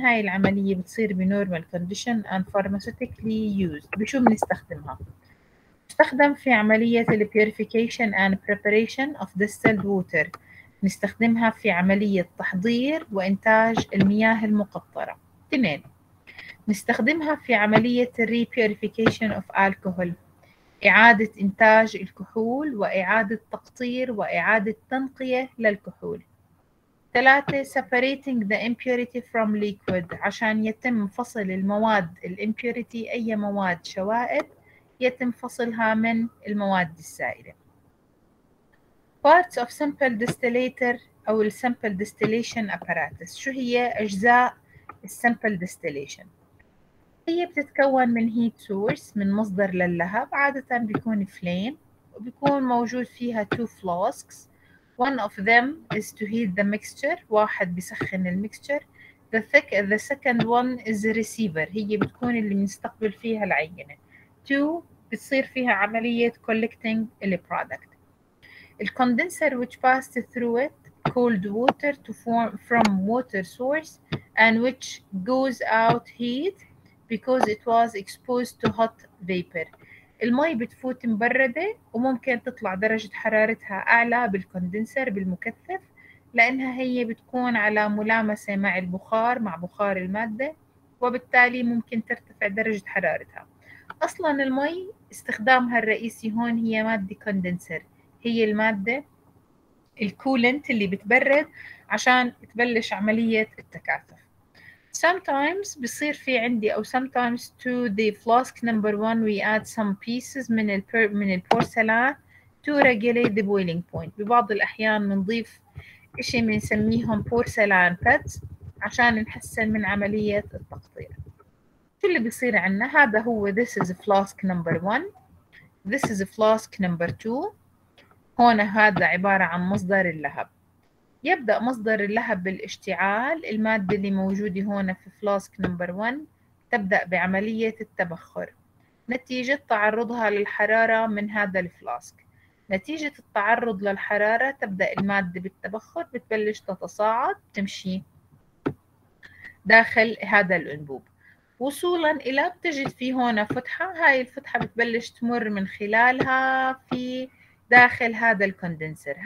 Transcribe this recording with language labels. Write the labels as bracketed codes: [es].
[ar] هاي العملية بتصير بنورمال كونديشن [en] and pharmaceutically used. [ar] بشو بنستخدمها؟ بنستخدم في عملية الـ [en] purification and preparation of distilled water. [ar] نستخدمها في عملية تحضير وإنتاج المياه المقطرة. اثنين، نستخدمها في عملية الـ [en] repurification of alcohol. [ar] إعادة إنتاج الكحول وإعادة تقطير وإعادة تنقية للكحول. ثلاثة، [en] separating the impurity from liquid [ar] عشان يتم فصل المواد الـ impurity، أي مواد شوائب يتم فصلها من المواد السائلة. [en] Parts of simple distillator [ar] أو الـ [en] simple distillation apparatus، [ar] شو هي أجزاء الـ simple distillation؟ هي بتتكون من [en] heat source، [ar] من مصدر للهب، عادة بيكون flame، وبيكون موجود فيها [en] two flasks. One of them is to heat the mixture. [ar] واحد بيسخن المكستر. [en] The second one is the receiver. [ar] هي بتكون اللي بنستقبل فيها العينة. Two بتصير فيها عملية [en] collecting the product. The condenser which passed through it cooled water to form from water source and which goes out heat because it was exposed to hot vapor. [ar] المي بتفوت مبردة وممكن تطلع درجة حرارتها أعلى بالكوندنسر بالمكثف لأنها هي بتكون على ملامسة مع البخار، مع بخار المادة، وبالتالي ممكن ترتفع درجة حرارتها. أصلاً المي استخدامها الرئيسي هون هي مادة كوندنسر، هي المادة الكولنت اللي بتبرد عشان تبلش عملية التكاثف. [en] Sometimes [ar] بصير في عندي أو [en] sometimes to the flask number one we add some pieces [ar] من البورسلان [en] to regulate the boiling point. [ar] ببعض الأحيان منضيف إشي منسميهم بورسلان pads عشان نحسن من عملية التقطير. شو اللي بصير عنا؟ هذا هو [en] this is a flask number one. This is a flask number two. [ar] هون هذا عبارة عن مصدر اللهب. يبدأ مصدر اللهب بالاشتعال، المادة اللي موجودة هنا في فلاسك نمبر 1 تبدأ بعملية التبخر نتيجة تعرضها للحرارة من هذا الفلاسك. نتيجة التعرض للحرارة تبدأ المادة بالتبخر، بتبلش تتصاعد تمشي داخل هذا الأنبوب، وصولاً إلى بتجد في هنا فتحة، هاي الفتحة بتبلش تمر من خلالها في داخل هذا الكوندنسر.